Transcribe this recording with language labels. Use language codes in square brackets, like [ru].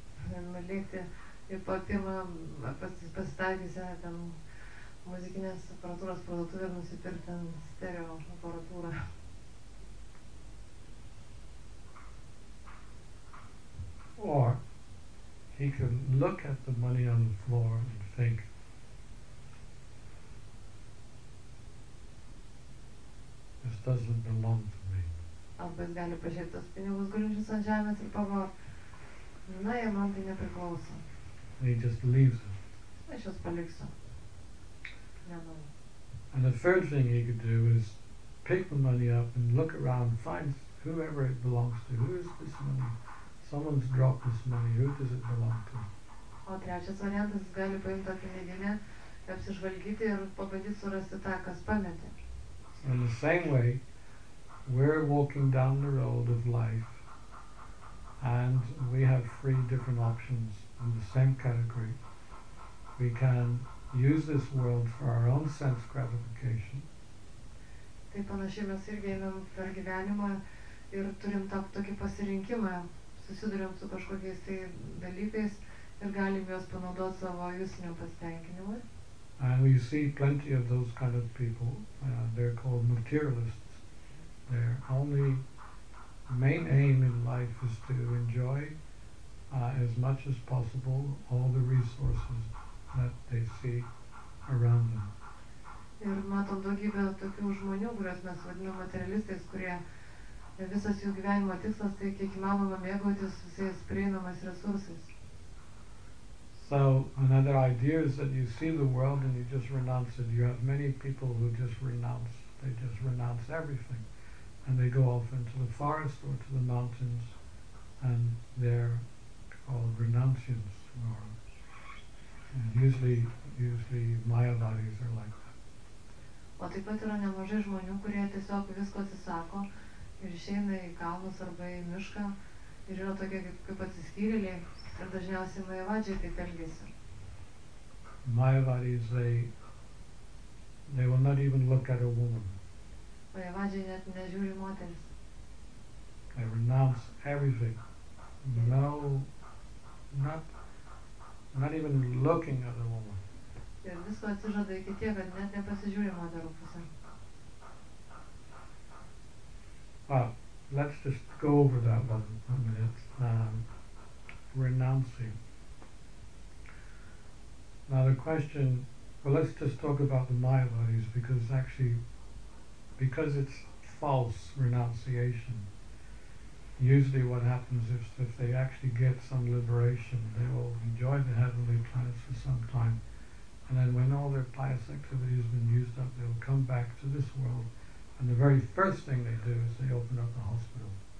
[en] Or he can look at the money on the floor and think, this doesn't belong to me. [lt] Arba jis gali pažiūrėti tos pinigus gulinčius ant žemės ir pagalvoti, na, jie man tai nepriklauso. [en] He just leaves it. [lt] Aš juos paliksiu. Nemanau. [en] And the third thing he could do is pick the money up and look around, find whoever it belongs to. Who is this money? Someone's dropped this money. Who does it belong to? [lt] O trečias variantas, jis gali paimti tą piniginę, apsižvalgyti ir pabandyti surasti tą, kas pametė. [en] In the same way, we're walking down the road of life and we have three different options in the same category. We can use this world for our own sense gratification. [lt] Taip panašiai mes irgi einam per gyvenimą ir turim tą tokį pasirinkimą. Susiduriam su kažkokiais tai dalykais ir galim juos panaudoti savo jūsinio pasitenkinimui. [en] And we see plenty of those kind of people. They're called materialists. Their only main aim in life is to enjoy as much as possible all the resources that they see around them. [lt] Ir matom daugybę tokių žmonių, kuriuos mes vadinam materialistais, kurie visas jų gyvenimo tikslas tai kiek įmanoma mėgautis visais prieinamais resursais. [en] So another idea is that you see the world and you just renounce it. You have many people who just renounce. They just renounce everything. And they go off into the forest or to the mountains and they're called renunciants, or usually Mayavadis are like that. [lt] O taip pat yra nemažai žmonių, kurie tiesiog visko atsisako ir išeina į kalnus arba į mišką ir yra tokie kaip atsiskyrėliai ir dažniausiai Mayavadžiai taip elgiasi. [en] Mayavadis, they will not even look at a woman. [lt] Vajavadžiai net nežiūri moteris. [en] I renounce everything. No, not, not even looking at a woman. [lt] Ir visko atsižada iki tie, kad net nepasižiūrė moterų pusę. [en] Well, let's just go over that one a minute. Renouncing. Now the question, well, let's just talk about the Maya bodies, because actually, because it's false renunciation, usually what happens is if they actually get some liberation, they will enjoy the heavenly planets for some time, and then when all their pious activity has been used up, they'll come back to this world, and the very first thing they do is they open up the hospital.